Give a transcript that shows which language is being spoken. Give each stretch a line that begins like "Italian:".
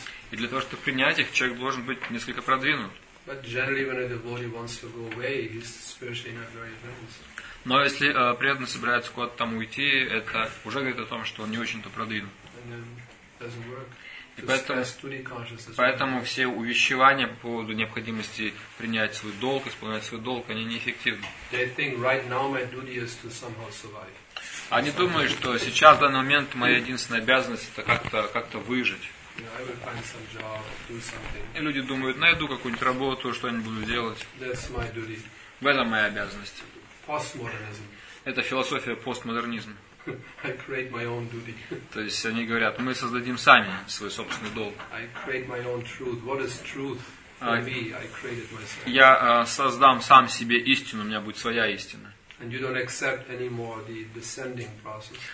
Russian: И для того, чтобы принять их, человек должен быть несколько продвинут.
English: But generally, when a devotee wants to go away, he's spiritually not very advanced.
Russian: Но если преданный собирается куда-то там уйти, это уже говорит о том, что он не очень-то продвинут.
English: And then doesn't work.
Russian: И поэтому все увещевания по поводу необходимости принять свой долг, исполнять свой долг, они неэффективны.
English: They think right now my duty is to somehow survive.
Russian: Они думают, что сейчас в данный момент моя единственная обязанность это как-то выжить.
English: I will find some job, do something.
Russian: И люди думают, найду какую-нибудь работу, что-нибудь буду делать.
English: That's my duty.
Russian: В этом моя обязанность.
English: Postmodernism.
Russian: Это философия постмодернизма.
English: I create my own duty.
Russian: То есть они говорят, мы создадим сами свой собственный долг.
English: I create my own truth. What is truth for me? I created myself.
Russian: Я создам сам себе истину, у меня будет своя истина.
English: And you don't accept anymore the descending process.